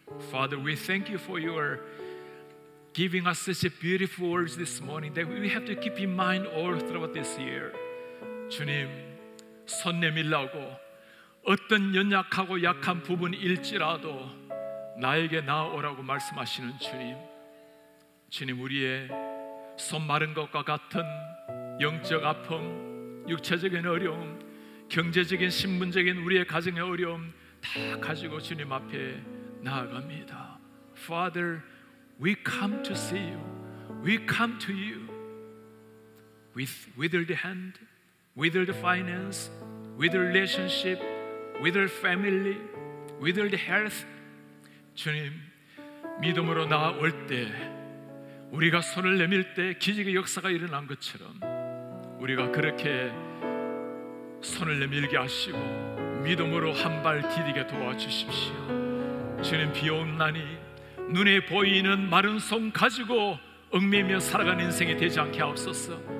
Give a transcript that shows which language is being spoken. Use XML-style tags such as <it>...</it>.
<en>Father, we thank you for your giving us such a beautiful words this morning that we have to keep in mind all throughout this year.</en> <ko>주님, 손 내밀라고 어떤 연약하고 약한 부분일지라도 나에게 나아오라고 말씀하시는 주님, 주님 우리의 손 마른 것과 같은 영적 아픔, 육체적인 어려움, 경제적인 신분적인 우리의 가정의 어려움 다 가지고 주님 앞에 나아갑니다.</ko> <en>Father, we come to see you. We come to you with withered hand, withered finance, withered relationship, withered family, withered health.</en> <ko>주님, 믿음으로 나아올 때, 우리가 손을 내밀 때 기적의 역사가 일어난 것처럼 우리가 그렇게 손을 내밀게 하시고 믿음으로 한 발 디디게 도와주십시오. 주님, 비옵나니 눈에 보이는 마른 손 가지고 얽매며 살아가는 인생이 되지 않게 하옵소서.</ko>